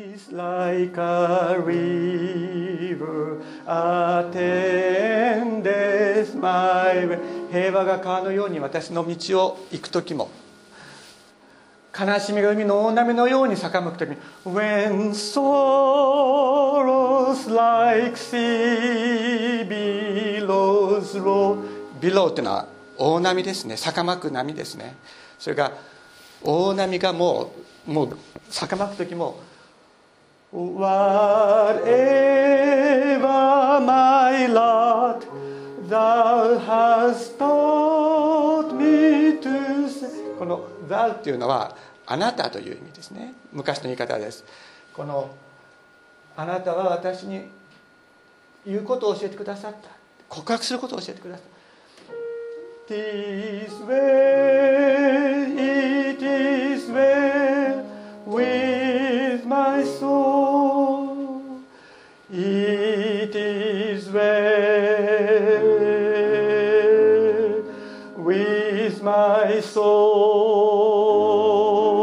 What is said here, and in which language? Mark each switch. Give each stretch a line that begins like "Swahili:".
English: Like a river attendeth my way.
Japanese: 平和が川のように私の道を行くときも。悲しみが海の大波のように逆向くとき、
English: When sorrows like sea billows roll、
Japanese: Below というのは大波ですね、逆向く波ですね。それが大波がもう逆向くときも、
English: Whatever my lot thou hast taught me to say、
Japanese: この thou というのはあなたという意味ですね。昔の言い方です。このあなたは私に言うことを教えてくださった、告白することを教えてくださった。
English: This way it is well with my soul, it is well with my soul.